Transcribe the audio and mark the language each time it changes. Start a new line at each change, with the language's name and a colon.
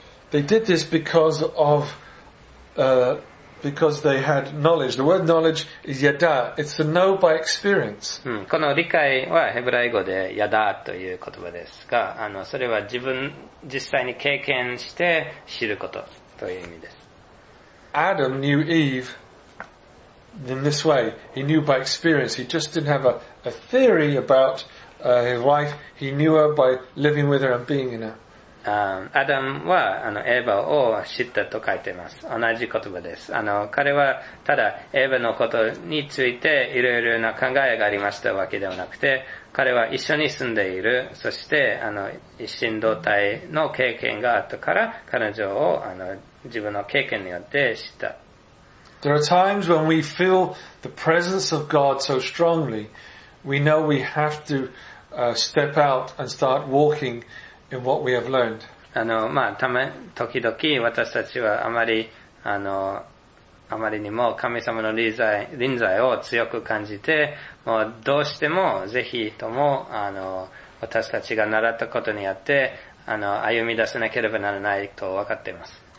English: They did this because of, because they had knowledge. The word knowledge is yada. It's to know by experience.
Japanese: この理解はヘブライ語でやだという言葉ですが、あの、それは自分実際に経験して知ることという意味です。
English: Adam knew Eve in this way. He knew by experience. He just didn't have a theory about, his wife. He knew her by living with her and being in her.
Japanese: アダムはあのエヴァを知ったと書いています。同じ言葉です。あの彼はただエヴァのことについていろいろな考えがありましたわけではなくて、彼は一緒に住んでいる、そしてあの一心同体の経験があったから彼女をあの自分の経験によって知った。
English: There are times when we feel the presence of God so strongly, we know we have to step out and start walking. In what we have learned.
Japanese: あの、まあ、時々私たちはあまり、あの、あまりにも神様の臨在を強く感じて、もうどうしてもぜひとも、あの、私たちが習ったことによって、あの、歩み出さなければならないと分かっています。